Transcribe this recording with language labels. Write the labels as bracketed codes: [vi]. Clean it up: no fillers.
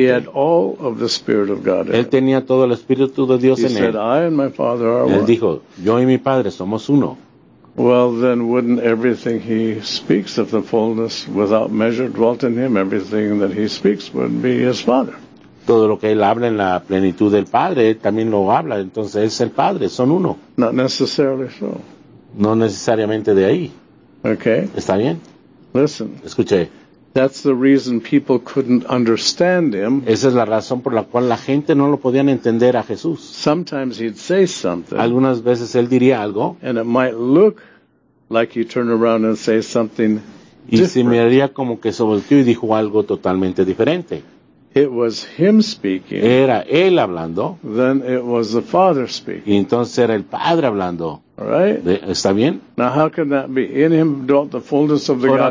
[en] He had all of the Spirit of God [es] él tenía todo el Espíritu de Dios [en] he [es] en [en] said, [es] él. [en] I and my Father are [es] él [en] one. [es] Dijo, yo y mi Padre somos uno. [en] Well, then wouldn't everything he speaks of the fullness without measure dwelt in him? Everything that he speaks would be his Father. [es] Todo lo que él habla en la plenitud del Padre, él también lo habla. Entonces, él es el Padre, son uno. [en] Not necessarily so. [es] No necesariamente de ahí. [en] Okay. [es] ¿Está bien? [en] Listen. [es] Escuché. [en] That's the reason people couldn't understand him. [es] Esa es la razón por la cual la gente no lo podían entender a Jesús. [en] Sometimes he'd say something. [es] Algunas veces él diría algo. [en] And it might look like he'd turn around and say something different. [es] Y se miraría como que se volteó y dijo algo totalmente diferente. [en] It was him speaking. [es] Era él hablando. [en] Then it was the Father speaking. [es] Y entonces era el Padre hablando. [en] Right. [es] ¿Está bien? [en] Now how can that be? In him dwelt the fullness of the [es] ahora,